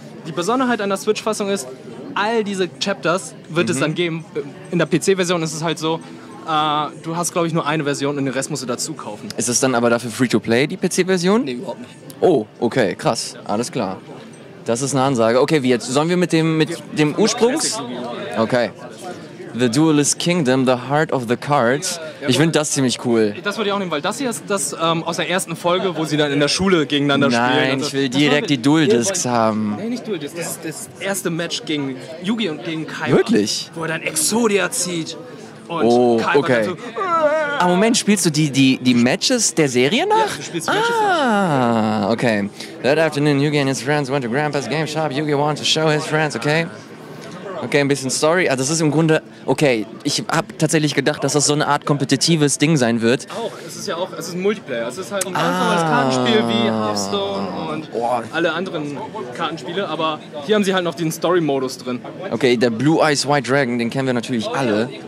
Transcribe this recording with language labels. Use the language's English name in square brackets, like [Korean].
[German] Die Besonderheit an der Switch-Fassung ist, all diese Chapters wird es dann geben. In der PC-Version ist es halt so, du hast, glaube ich, nur eine Version und den Rest musst du dazu kaufen. Ist es dann aber dafür Free-to-Play, die PC-Version? Nee, überhaupt nicht. Oh, okay, krass. Ja. Alles klar. Das ist eine Ansage. Okay, wie jetzt? Sollen wir mit dem Ursprungs? Okay. [English] The Duelist Kingdom, The Heart of the Cards. [German] Ich finde das ziemlich cool. Das würde ich auch nehmen, weil das hier ist das aus der ersten Folge, wo sie dann in der Schule gegeneinander Nein, spielen. Nein, also, ich will direkt die Duel Discs haben. Nee, nicht Duel Discs. Das ist das erste Match gegen Yugi und gegen Kaiba. Wirklich? Wo er dann Exodia zieht. Und oh, okay. Aber Moment, spielst du die Matches der Serie nach? Ja, du spielst die Matches nach. [English] Ah, okay. That afternoon, Yugi and his friends went to Grandpa's game shop. Yugi wanted to show his friends, okay? [German] Okay, ein bisschen Story. Also das ist im Grunde, okay, ich habe tatsächlich gedacht, dass das so eine Art kompetitives Ding sein wird. Auch, es ist ein Multiplayer. Es ist halt ein ganz normales Kartenspiel wie Hearthstone und alle anderen Kartenspiele, aber hier haben sie halt noch den Story-Modus drin. Okay, der Blue Eyes White Dragon, den kennen wir natürlich alle.